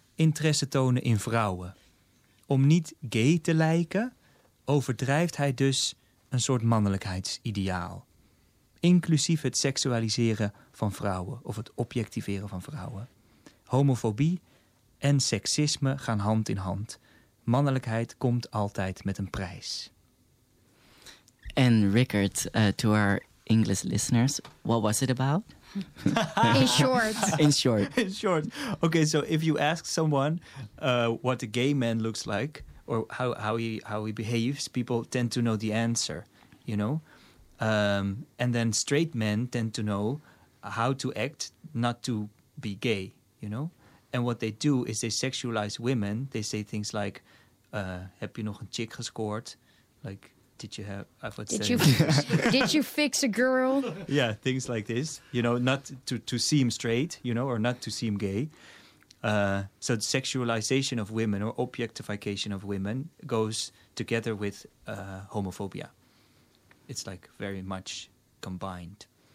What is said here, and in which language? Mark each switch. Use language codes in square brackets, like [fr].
[nl] interesse tonen in vrouwen. Om niet gay te lijken, overdrijft hij dus een soort mannelijkheidsideaal. Inclusief het seksualiseren van vrouwen of het objectiveren van vrouwen. Homofobie en seksisme gaan hand in hand. Mannelijkheid komt altijd met een prijs. [en] En Rickard, to our English listeners, what was it about? In short. Okay, so if you ask someone what a gay man looks like or how he behaves, people tend to know the answer, you know? And then straight men tend to know how to act not to be gay, you know? And what they do is they sexualize women. They say things like, [nl] heb je nog een chick gescoord? [en] Like, did you fix a girl? Yeah, things like this, you know, not to seem straight, you know, or not to seem gay. So the sexualization of women or objectification of women goes together with homophobia. It's like very much combined.